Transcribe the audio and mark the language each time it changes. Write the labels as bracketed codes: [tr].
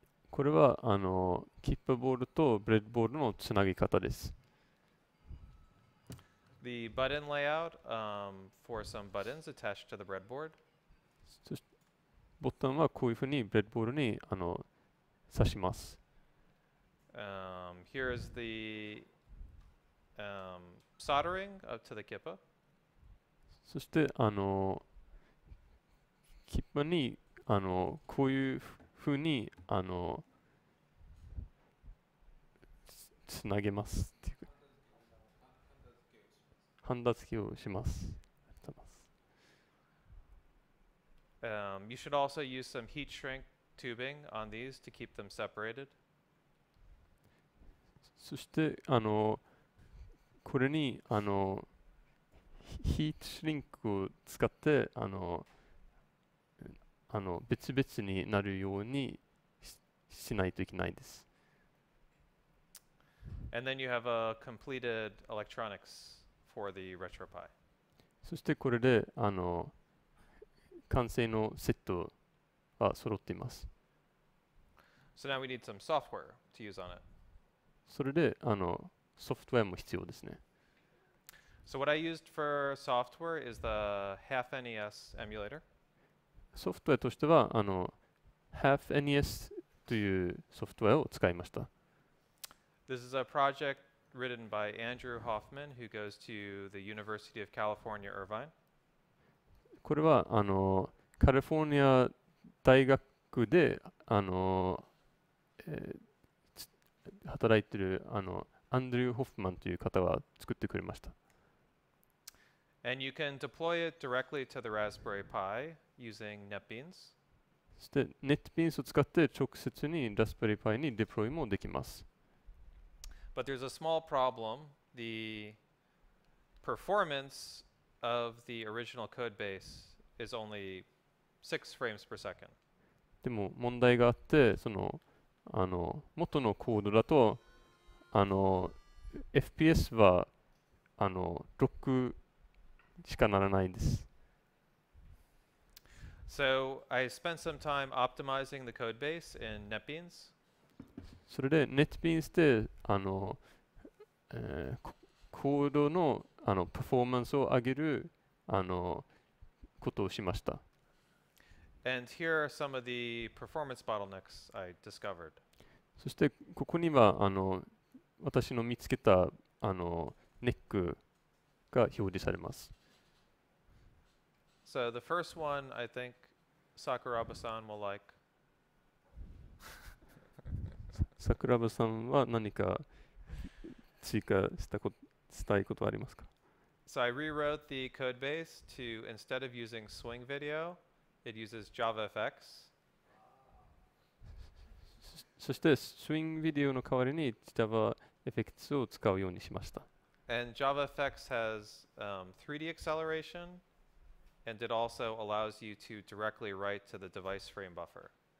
[ja] これはあのキッパボードとブレッドボードのつなぎ方です。 [en] The button layout for some buttons attached to the breadboard. [ja] ボタンはこういうふうにブレッドボードにあの刺します。 [en] Here is the soldering up to the kippa. [ja] そしてあのキッパにあのこういうふうにあのつなげます。ハンダ付きをします。 [en] You should also use some heat shrink tubing on these to keep them separated. [ja] そしてあのこれにあのヒートシュリンクを使ってあの別々になるように しないといけないです。 [en] And then you have a completed electronics. For the RetroPi. [ja] そしてこれであの完成のセットは揃っています。 [en] So now we need some software to use on it. [ja] それであのソフトウェアも必要ですね。 [en] So what I used for software is the half NES emulator. [ja] ソフトウェアとしてはあの Half NES というソフトウェアを使いました。 [en] This is a project written by Andrew Hoffman, who goes to the University of California, Irvine. [ja] これはあのカリフォルニア大学であの、働いているあのアンドリュー・ホフマンという方が作ってくれました。 [en] And you can deploy it directly to the Raspberry Pi using NetBeans. [ja] そして NetBeans を使って直接に Raspberry Pi にデプロイもできます。 [en] But there's a small problem. The performance of the original code base is only 6 frames per second. [ja] でも問題があって、その、あの、元のコードだと、あの、FPS は、あの、6しかならないんです。 [en] So I spent some time optimizing the code base in NetBeans. [ja] それで NetBeans で、あの、コードの、あの、パフォーマンスを上げる、あの、ことをしました。 [en] And here are some of the performance bottlenecks I discovered. [ja] そしてここにはあの私の見つけたあのネックが表示されます。 [en] So the first one I think Sakuraba-san will like. [ja] Sakuraba-san は何か追加したこしたいことはありますか？ [en] So I rewrote the code base to instead of using swing video. It uses JavaFX. [ja] そして、スイングビデオの代わりに JavaFX を使うようにしました。 [en] And JavaFX has 3D acceleration, and it also allows you to directly write to the device frame buffer.